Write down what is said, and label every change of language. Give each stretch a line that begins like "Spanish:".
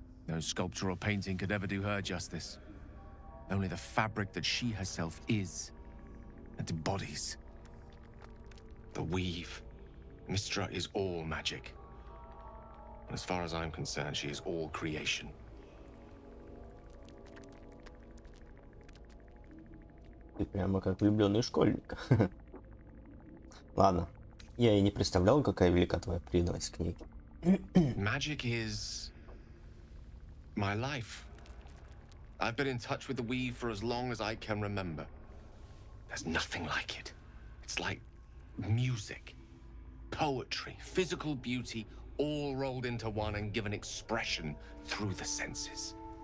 English: No sculpture or painting could ever do her justice. Only the fabric that she herself is and embodies. The weave. Mistra is all magic. And as far as I'm concerned, she is all creation.
Russian: Ты прямо как влюбленный школьник. Ладно. Я и не представлял, какая велика твоя преданность к ней.
English: Magic is my life. I've been in touch with the weave for as long as I can remember. There's nothing like it. It's like music. Poetry, physical beauty, all rolled into one and given expression through the senses.